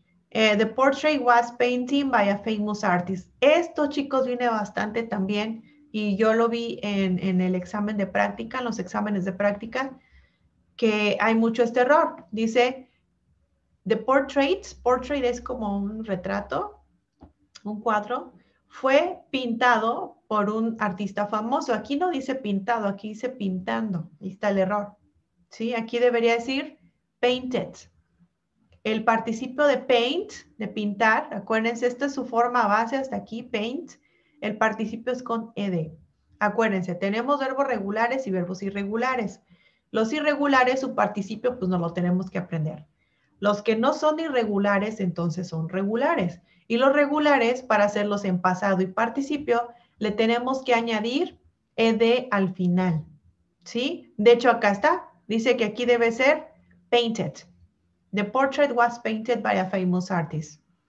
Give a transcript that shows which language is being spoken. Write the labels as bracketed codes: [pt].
[en] The portrait was painted by a famous artist. [es] Esto, chicos, viene bastante también. Y yo lo vi en el examen de práctica, en los exámenes de práctica, que hay mucho este error. Dice, [en] the portrait [es] es como un retrato, un cuadro, fue pintado por un artista famoso. Aquí no dice pintado, aquí dice pintando. Ahí está el error. ¿Sí? Aquí debería decir painted. El participio de paint, de pintar, acuérdense, esta es su forma base hasta aquí, paint. El participio es con ed. Acuérdense, tenemos verbos regulares y verbos irregulares. Los irregulares, su participio, pues no lo tenemos que aprender. Los que no son irregulares, entonces son regulares. Y los regulares, para hacerlos en pasado y participio, le tenemos que añadir ed al final. ¿Sí? De hecho, acá está. Dice que aquí debe ser painted. [en] The portrait was painted by a famous artist.